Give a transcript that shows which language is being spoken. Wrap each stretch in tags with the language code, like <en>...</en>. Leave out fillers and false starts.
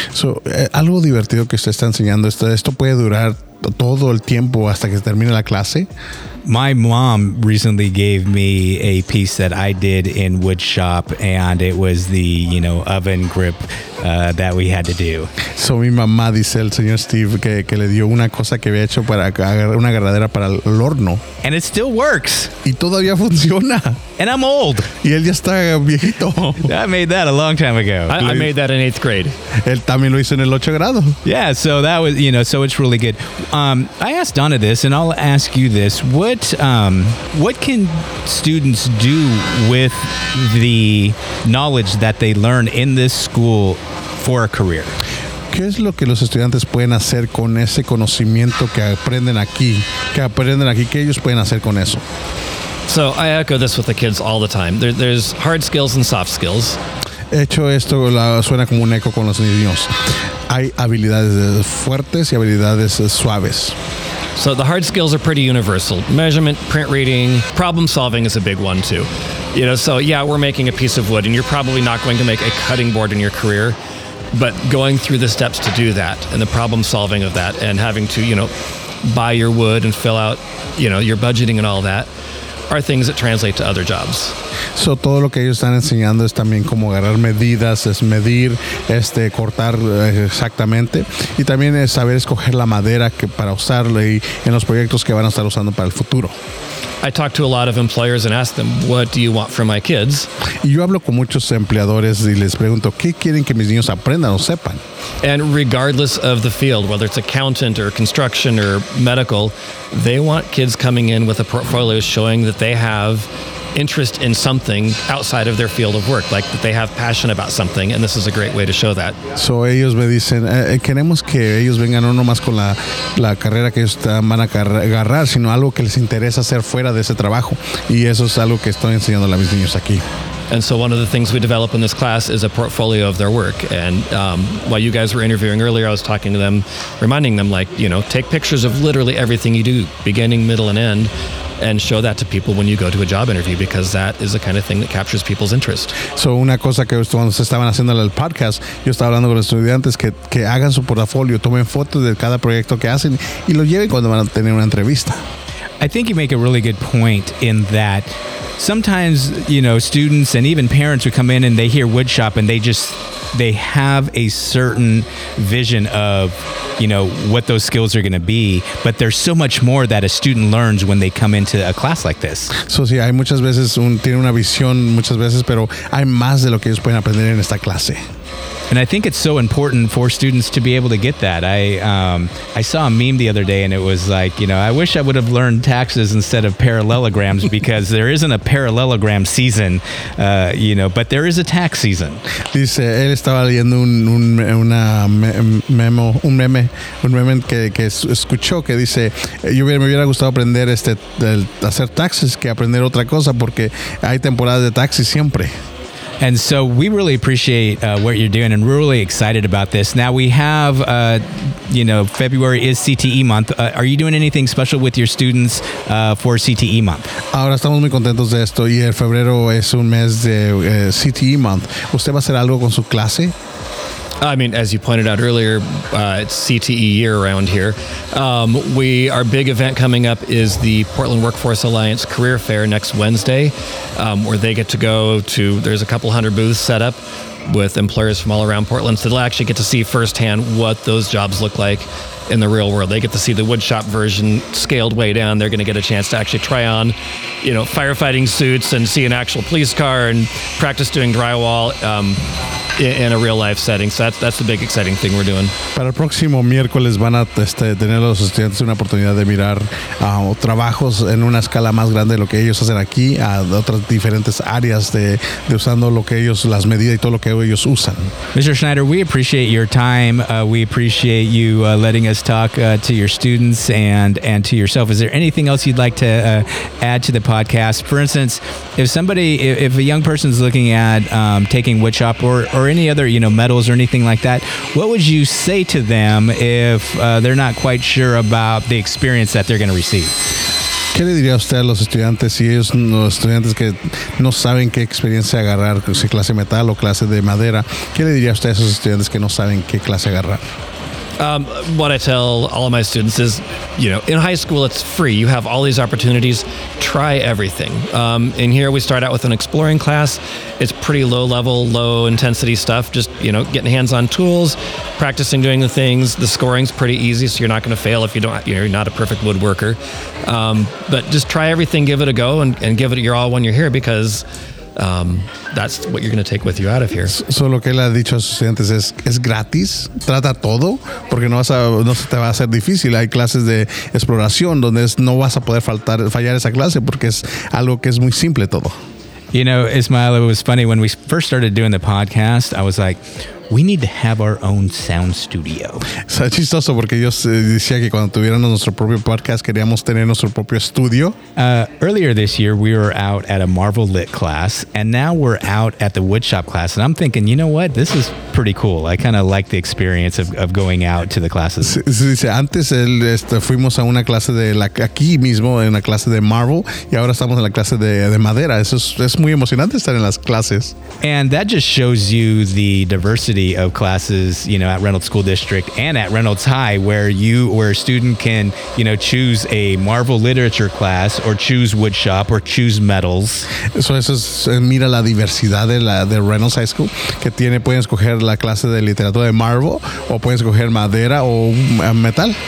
<es>So, algo divertido que usted está enseñando, esto puede durar todo el tiempo hasta que termine la clase.</es> <en>My mom recently gave me a piece that I did in wood shop, and it was the, you know, oven grip that we had to do.</en> <es>So mi mamá dice el señor Steve que le dio una cosa que había hecho para una agarradera para el horno.</es> <en>And it still works.</en> <es>Y todavía funciona.</es> <en>And I'm old.</en> <es>Y él ya está viejito.</es> <en>I made that a long time ago. I made that in 8th grade.</en> <es>Él también lo hizo en el 8th grado.</es> <en>Yeah, so that was, you know, so it's really good. I asked Donna this, and I'll ask you this. What can students do with the knowledge that they learn in this school for a career?</en> <es>¿Qué es lo que los estudiantes pueden hacer con ese conocimiento que aprenden aquí? ¿Qué ellos pueden hacer con eso?</es> <en>So I echo this with the kids all the time. There's hard skills and soft skills.</en> <es>Hecho esto, suena como un eco con los niños. Hay habilidades fuertes y habilidades suaves.</es> <en>So the hard skills are pretty universal. Measurement, print reading, problem solving is a big one too. You know, so yeah, we're making a piece of wood and you're probably not going to make a cutting board in your career, but going through the steps to do that and the problem solving of that and having to, you know, buy your wood and fill out, you know, your budgeting and all that are things that translate to other jobs.</en> <es>So todo lo que ellos están enseñando es también como agarrar medidas, es medir, cortar exactamente, y también es saber escoger la madera que para usarla y en los proyectos que van a estar usando para el futuro.</es> <en>I talk to a lot of employers and ask them, what do you want from my kids?</en> <es>Y yo hablo con muchos empleadores y les pregunto, ¿qué quieren que mis niños aprendan o sepan?</es> <en>And regardless of the field, whether it's accountant or construction or medical, they want kids coming in with a portfolio showing that they have interest in something outside of their field of work, like that they have passion about something, and this is a great way to show that.</en> <es>So ellos me dicen, queremos que ellos vengan no nomás con la carrera que ellos van a agarrar, sino algo que les interesa hacer fuera de ese trabajo, y eso es algo que estoy enseñando a mis niños aquí.</es> <en>And so one of the things we develop in this class is a portfolio of their work. And while you guys were interviewing earlier, I was talking to them, reminding them, like, you know, take pictures of literally everything you do, beginning, middle, and end, and show that to people when you go to a job interview, because that is the kind of thing that captures people's interest.</en> <es>So una cosa que cuando se estaban haciendo el podcast, yo estaba hablando con los estudiantes que hagan su portafolio, tomen fotos de cada proyecto que hacen y lo lleven cuando van a tener una entrevista.</es> <en>I think you make a really good point in that sometimes, you know, students and even parents who come in and they hear woodshop and they have a certain vision of, you know, what those skills are going to be. But there's so much more that a student learns when they come into a class like this.</en> <es>So, sí, hay muchas veces, tiene una visión muchas veces, pero hay más de lo que ellos pueden aprender en esta clase.</es> <en>And I think it's so important for students to be able to get that. I saw a meme the other day and it was like, you know, I wish I would have learned taxes instead of parallelograms because there isn't a parallelogram season, you know, but there is a tax season.</en> <es>Dice, él estaba leyendo un meme que escuchó que dice, yo me hubiera gustado aprender hacer taxes que aprender otra cosa porque hay temporadas de taxis siempre.</es> <en>And so we really appreciate what you're doing and really excited about this. Now we have, you know, February is CTE month. Are you doing anything special with your students for CTE month?</en> <es>Ahora estamos muy contentos de esto y el febrero es un mes de CTE month. ¿Usted va a hacer algo con su clase?</es> <en>I mean, as you pointed out earlier, it's CTE year around here. Our big event coming up is the Portland Workforce Alliance Career Fair next Wednesday, where they get to go to, there's a couple hundred booths set up with employers from all around Portland. So they'll actually get to see firsthand what those jobs look like in the real world. They get to see the woodshop version scaled way down. They're going to get a chance to actually try on, you know, firefighting suits and see an actual police car and practice doing drywall. In a real life setting. So that's the big exciting thing we're doing.</en> <es>Para el próximo miércoles van a tener los estudiantes una oportunidad de mirar trabajos en una escala más grande de lo que ellos hacen aquí, a otras diferentes áreas de usando lo que ellos, las medidas y todo lo que ellos usan.</es> <en>Mr. Schneider, we appreciate your time. We appreciate you letting us talk to your students and to yourself. Is there anything else you'd like to add to the podcast? For instance, if a young person's looking at taking woodshop or any other, you know, metals or anything like that, what would you say to them if they're not quite sure about the experience that they're going to receive?</en> <es>¿Qué le diría usted a los estudiantes si ellos, los estudiantes que no saben qué experiencia agarrar, si clase metal o clase de madera, qué le diría usted a esos estudiantes que no saben qué clase agarrar?</es> <en>What I tell all of my students is, you know, in high school, it's free. You have all these opportunities. Try everything. In here, we start out with an exploring class. It's pretty low level, low intensity stuff. Just, you know, getting hands on tools, practicing doing the things. The scoring's pretty easy, so you're not going to fail if you don't, you know, you're not a perfect woodworker. But just try everything, give it a go, and give it your all when you're here, because that's what you're going to take with you out of here.</en> <es>So lo que él ha dicho a sus estudiantes es gratis. Trata todo porque no se te va a hacer difícil. Hay clases de exploración donde no vas a poder fallar esa clase porque es algo que es muy simple todo.</es> <en>You know, Ismael, it was funny when we first started doing the podcast. I was like, we need to have our own sound studio.</en> <es>Es chistoso porque yo decía que cuando tuviéramos nuestro propio podcast queríamos tener nuestro propio estudio.</es> <en>Earlier this year, we were out at a Marvel Lit class, and now we're out at the woodshop class. And I'm thinking, you know what? This is pretty cool. I kind of like the experience of going out to the classes.</en> <es>Dice, antes fuimos a una clase de aquí mismo, en la clase de Marvel, y ahora estamos en la clase de madera. Eso es muy emocionante estar en las clases.</es> <en>And that just shows you the diversity of classes, you know, at Reynolds School District and at Reynolds High, where a student can, you know, choose a Marvel literature class or choose woodshop or choose metals.</en> <es>So eso es, mira la diversidad de Reynolds High School, que tiene, pueden escoger la clase de literatura de Marvel o pueden escoger madera o metal.</es>